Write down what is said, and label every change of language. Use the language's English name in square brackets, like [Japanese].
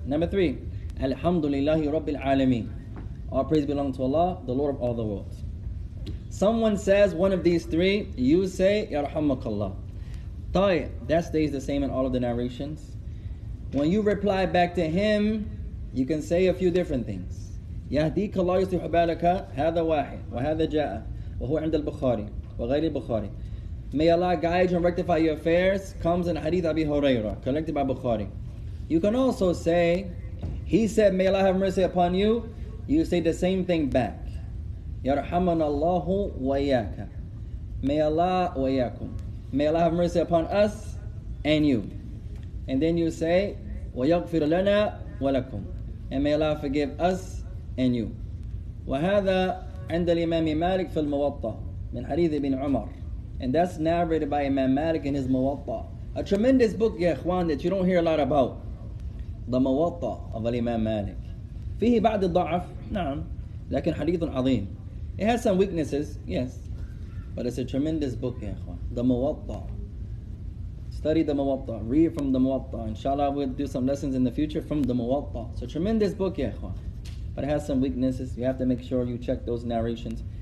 [English] Number three, [Arabic] Alhamdulillahi Rabbil Alameen. [English] All praise belong to Allah, the Lord of all the worlds. Someone says one of these three, you say Yarhamakallah. طيب, that stays the same in all of the narrations. When you reply back to him, you can say a few different things. [Arabic] يهديك الله يصلح بالك هذا واحد وهذا جاء وهو عند البخاري وغير البخاري. [English] May Allah guide and rectify your affairs comes in Hadith Abi Huraira, collected by Bukhari. You can also say, he said, may Allah have mercy upon you. You say the same thing back. [Arabic] يرحمنا الله وياك. [English] May Allah وياكم. May Allah have mercy upon us and you. And then you say, [Arabic] وَيَغْفِرُ لَنَا وَلَكُمْ [English] And may Allah forgive us and you. [Arabic] وَهَذَا عِنْدَ الْإِمَامِ مَالِكِ فِي الْمُوَطَّةِ مِنْ حَدِيثِ بِنْ عُمَرِ [English] And that's narrated by Imam Malik in his Muwatta. A tremendous book, يا إخوان, that you don't hear a lot about. The Muwatta of Imam Malik. [Arabic] فيه بعض الضعف, نعم, لكن حديث عظيم. [English] It has some weaknesses, yes. But it's a tremendous book, يا إخوان. The Muwatta. Study the Muwatta, read from the Muwatta. Inshallah, we'll do some lessons in the future from the Muwatta. So tremendous book, ya ikhwan. But it has some weaknesses. You have to make sure you check those narrations.